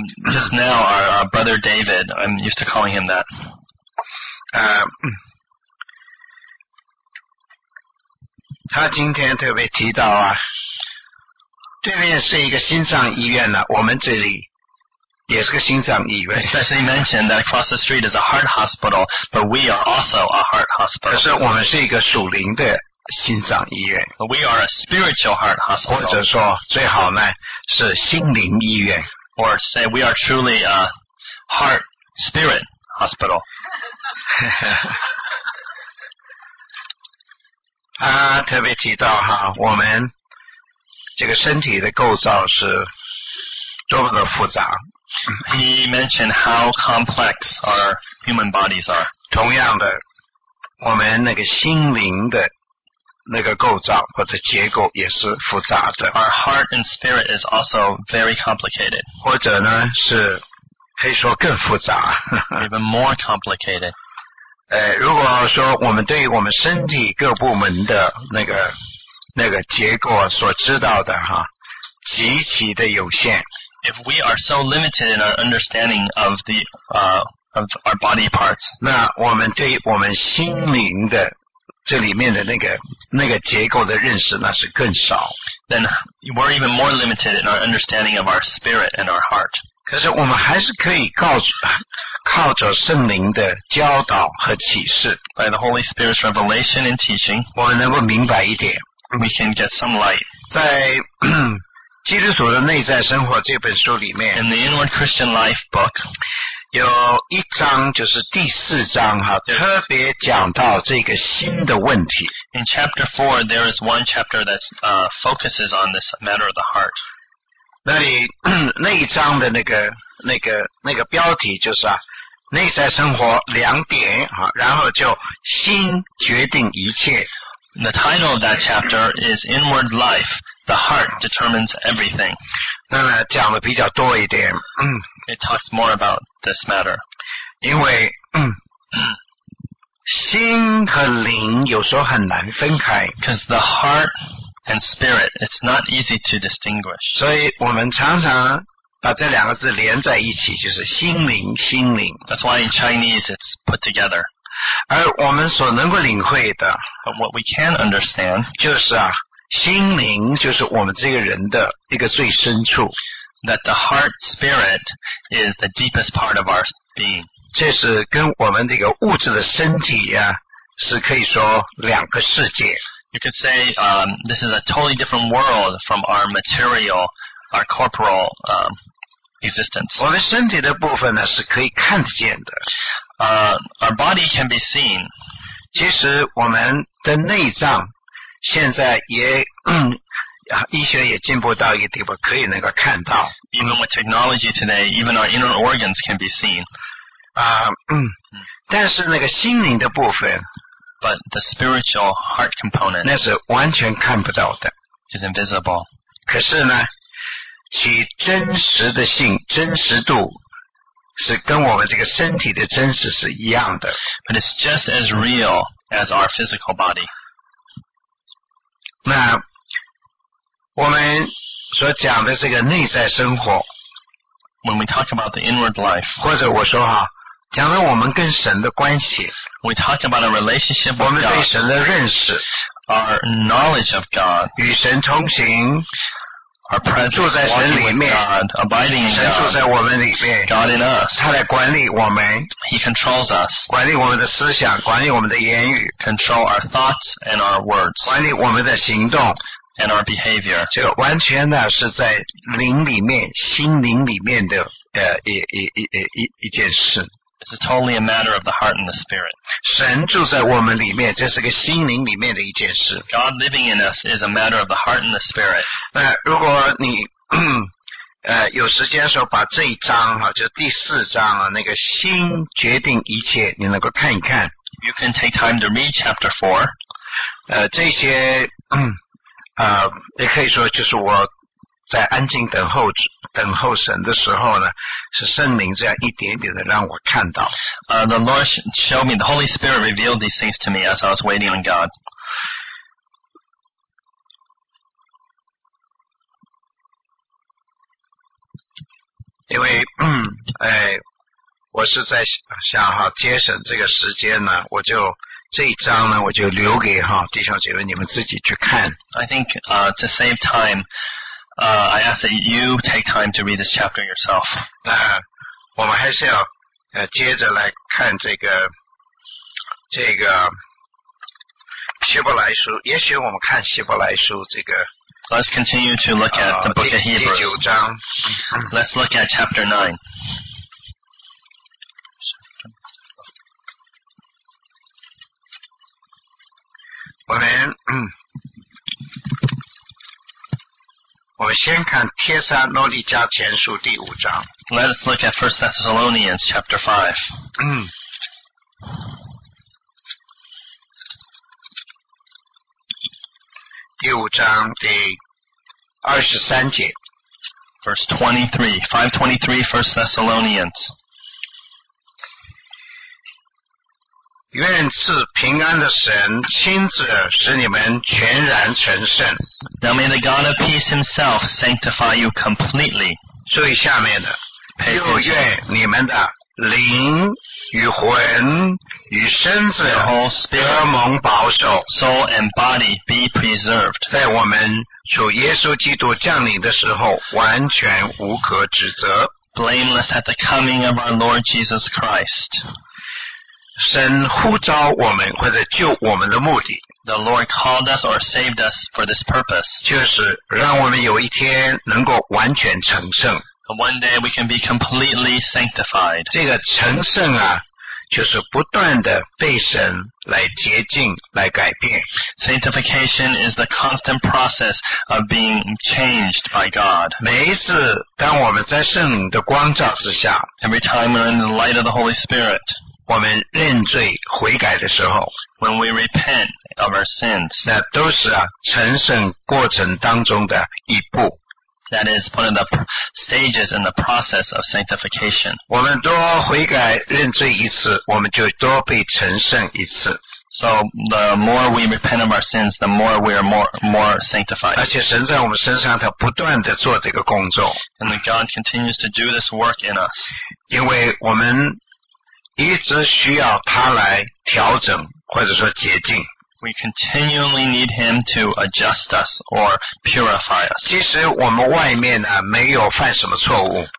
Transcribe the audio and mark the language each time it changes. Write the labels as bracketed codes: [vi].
[en] Just now our brother David, I'm used to calling him that. [zh] 他今天特别提到啊，对面是一个心脏医院呢，我们这里也是个心脏医院。 [en] Especially mentioned that across the street is a heart hospital, but we are also a heart hospital. [zh] 可是我们是一个属灵的心脏医院。 [en] But we are a spiritual heart hospital. [zh] 或者说最好呢是心灵医院。 [en] Or say we are truly a heart spirit hospital. [zh] 啊，特别提到哈，我们这个身体的构造是多么的复杂。 [en] He mentioned how complex our human bodies are. [zh] 同样的，我们那个心灵的那个构造或者结构也是复杂的。 [en] Our heart and spirit is also very complicated. [zh] 或者呢，是可以说更复杂。 [en] Even more complicated. [zh] 如果说我们对于我们身体各部门的那个结构所知道的哈，极其的有限。 [en] If we are so limited in our understanding of the of our body parts, [zh] 那我们对我们心灵的这里面的那个结构的认识那是更少。 [en] Then we're even more limited in our understanding of our spirit and our heart. [zh] 可是我们还是可以靠着圣灵的教导和启示 [en] ，by the Holy Spirit's revelation and teaching, [zh] 我们能够明白一点 [en] ，we can get some light. [zh] 在基督徒的内在生活这本书里面 [en] In the Inward Christian Life book [zh] 有一章就是第四章哈，特别讲到这个心的问题 [en] In chapter 4 there is one chapter that focuses on this matter of the heart [zh] 那里那一章的那个标题就是啊内在生活两点哈，然后就心决定一切 [en] The title of that chapter is Inward LifeThe heart determines everything. [zh] 那讲的比较多一点。 [en] It talks more about this matter. [zh] 因为心和灵有时候很难分开。 [en] Because the heart and spirit, it's not easy to distinguish. [zh] 所以我们常常把这两个字连在一起，就是心灵，心灵。 [en] That's why in Chinese it's put together. [zh] 而我们所能够领会的 [en] But what we can understand [zh] 就是啊心灵就是我们这个人的一个最深处 [en] That the heart spirit is the deepest part of our being [zh] 这是跟我们这个物质的身体啊是可以说两个世界 [en] You could say this is a totally different world from our material, our corporal existence [zh] 我们身体的部分呢是可以看得见的 [en] Our body can be seen [zh] 其实我们的内脏现在也医学也进步到一个地步可以能够看到 [en] Even with technology today, even our inner organs can be seen [zh] 但是那个心灵的部分 [en] But the spiritual heart component [zh] 那是完全看不到的 [en] Is invisible [zh] 可是呢其真实的性真实度是跟我们这个身体的真实是一样的 [en] But it's just as real as our physical body [zh] 那我们所讲的这个内在生活 [en] When we talk about the inward life [zh] 或者我说哈讲到我们跟神的关系 [en] We talk about a relationship with God [zh] 我们对神的认识 [en] Our knowledge of God [zh] 与神同行 [en] Our presence [zh] 住在神里面 [en] walking with God, abiding in God [zh] 神住在我们里面 [en] God in us [zh] 他来管理我们 [en] He controls us [zh] 管理我们的思想管理我们的言语 [en] Control our thoughts and our words [zh] 管理我们的行动 [en] And our behavior [zh] 这个完全呢是在灵里面心灵里面的一件事 [en] This is totally a matter of the heart and the spirit. [zh] 神住在我们里面，这是个心灵里面的一件事。 [en] God living in us is a matter of the heart and the spirit. [zh] 那如果你有时间的时候，把这一章哈，就第四章啊，那个心决定一切，你能够看一看。 [en] You can take time to read chapter 4. [zh] 这些也可以说就是我在安静等候着。等候神的时候呢，是圣灵这样一点点的让我看到。 [en] The Lord showed me, the Holy Spirit revealed these things to me as I was waiting on God. [zh] 因为我是在想哈节省这个时间呢，我就这一章呢我就留给哈弟兄姐妹你们自己去看。 [en] I think to save time, I ask that you take time to read this chapter yourself. [zh] 我们还是要接着来看这个希伯来书，也许我们看希伯来书这个。 [en] Let's continue to look at the book of Hebrews. [zh] 第九章。 [en] Let's look at chapter 9. Amen. [zh] 我先看《帖撒罗尼迦前书》第五章。 [en] Let's look at 1 Thessalonians chapter 5. [zh] 第五章第二十三节。 [en] Verse 23, 5:23, 1 Thessalonians. [zh] 愿赐平安的神亲自使你们全然成圣。 [en] Now may the God of peace himself sanctify you completely. [zh] 注意下面的。又愿你们的灵与魂与身子得蒙保守。 [en] Soul and body be preserved. [zh] 在我们主耶稣基督降临的时候完全无可指责。 [en] Blameless at the coming of our Lord Jesus Christ. [zh] 神呼召我们或者救我们的目的 [en] The Lord called us or saved us for this purpose [zh] 就是让我们有一天能够完全成圣 [en] One day we can be completely sanctified [zh] 这个成圣啊就是不断的被神来洁净来改变 [en] Sanctification is the constant process of being changed by God [zh] 每一次当我们在圣灵的光照之下 [en] Every time we're in the light of the Holy Spirit [zh] 我们认罪悔改的时候 [en] When we repent of our sins [zh] 那都是啊成圣过程当中的一步 [en] That is one of the stages in the process of sanctification [zh] 我们多悔改认罪一次我们就多被成圣一次 [en] So the more we repent of our sins the more we are more sanctified [zh] 而且神在我们身上他不断地做这个工作 [en] And God continues to do this work in us [zh] 因为我们一直需要他来调整或者说洁净 [en] We continually need him to adjust us or purify us [zh] 即使我们外面呢没有犯什么错误